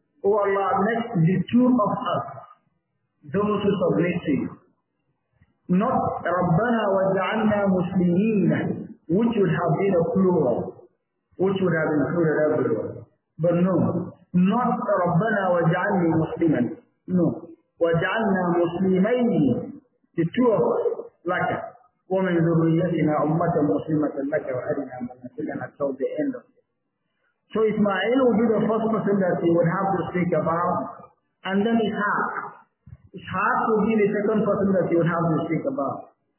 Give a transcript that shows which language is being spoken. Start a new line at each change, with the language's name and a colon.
English: O Allah, make the two of us those who submit to you. Not
Arabic: رَبَّنَا وَاجْعَلْنَا مُسْلِمِينَ,
English: which would have been a plural, which would have included everyone. But no, not
Arabic: رَبَّنَا وَاجْعَلْنَا مُسْلِمًا.
English: No,
Arabic: وَاجْعَلْنَا مُسْلِمَيْنِ.
English: The two of us, like
Arabic: وَمِنْ ذُرِّيَّتِنَا أُمَّةً مُسْلِمَةً لَكَ وَأَرِنَا مَنَاسِكَنَا,
English: until the end of it. So Ismail would be the first person that he would have to speak about. And then Ishaq. Ishaq would be the second person that he would have to speak about.